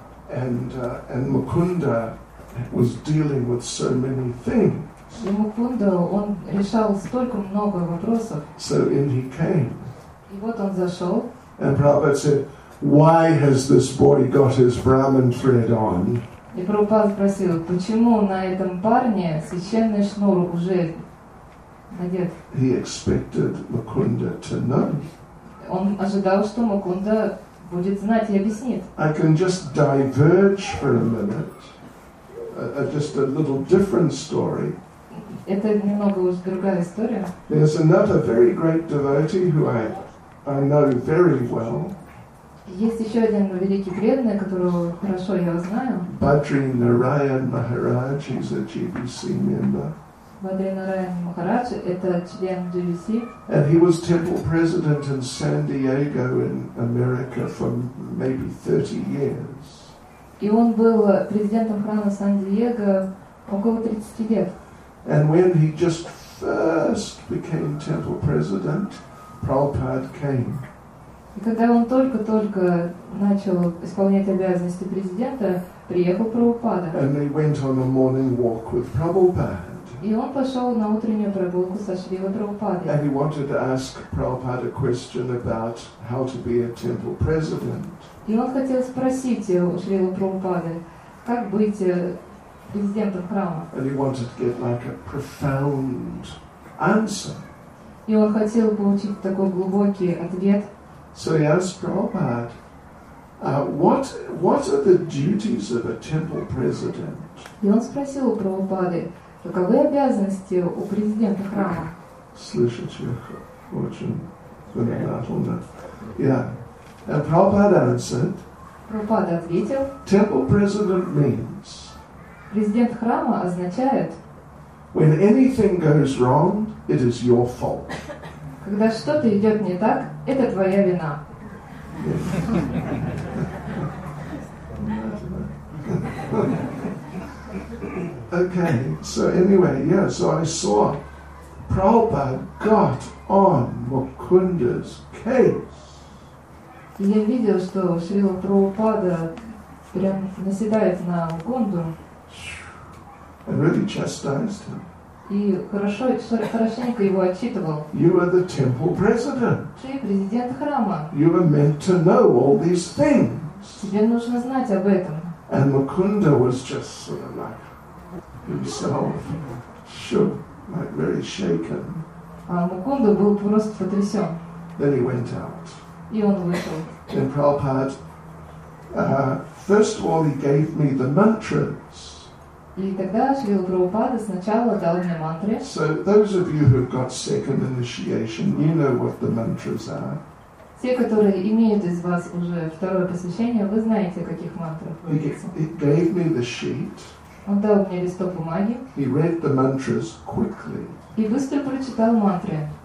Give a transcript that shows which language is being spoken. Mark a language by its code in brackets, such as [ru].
[en] And Mukunda was dealing with so many things. [ru] И Мукунда, он решал столько много вопросов. [en] So in he came. [ru] И вот он зашел. [en] And Prabhupada said, "Why has this boy got his Brahman thread on?" [ru] И Прабхупада спросил, почему на этом парне священный шнур уже Нет. [en] He expected Mukunda to know. [ru] Он ожидал, что Мукунда будет знать и объяснит. [en] I can just diverge for a minute. Just a little different story. [ru] Это немного уж другая история. [en] There's another very great devotee who I know very well. [ru] Есть еще один великий преданный, которого хорошо я знаю. [en] Бадри Нараян Махарадж, he's a GBC member. [ru] Бадри Нараян Махарадж, это член GBC. [en] And he was temple president in San Diego in America for maybe 30 years. [ru] И он был президентом храма Сан-Диего около 30 лет. [en] And when he just first became temple president, Prabhupada came. [ru] И когда он только-только начал исполнять обязанности президента, приехал Прабхупада. [en] And they went on a morning walk with Prabhupada. [ru] И он пошел на утреннюю прогулку со Шрилой Прабхупадой. [en] And he wanted to ask Prabhupada a question about how to be a temple president. [ru] И он хотел спросить у Шрилы Прабхупады, как быть президентом храма. [en] And he wanted to get like a profound answer. [ru] И он хотел получить такой глубокий ответ. [en] So he asked Prabhupada, what are the duties of a temple president? [ru] И он спросил у Прабхупады, каковы обязанности у президента храма? Слышать их очень внимательно. [en] Yeah. And Prabhupada answered. [ru] Прабхупада ответил. [en] Temple president means. [ru] Президент храма означает. [en] When anything goes wrong, it is your fault. [ru] Когда что-то идет не так, это твоя вина. [en] Okay, so anyway, yeah, so I saw Prabhupada got on Mukunda's case. [ru] Я видел, что Шрила Прабхупада прям наседает на Мукунду. [en] And really chastised him. [ru] И хорошо, хорошенько его отчитывал. [en] You are the temple president. [ru] Ты президент храма. [en] You are meant to know all these things. [ru] Тебе нужно знать об этом. [en] And Mukunda was just sort of like himself, shook, like very shaken. [ru] А Мукунда был просто потрясен. [en] Then he went out. [ru] И он вышел. [en] Then Prabhupada, first of all, he gave me the mantras. [ru] И тогда Шрила Прабхупада сначала дал мне мантры. [en] So those of you who've got second initiation, you know what the mantras are. [ru] Те, которые имеют из вас уже второе посвящение, вы знаете, о каких мантрах говорится. [en] He gave me the sheet. [ru] Он дал мне листок бумаги. He read the mantras quickly. И быстро прочитал мантры.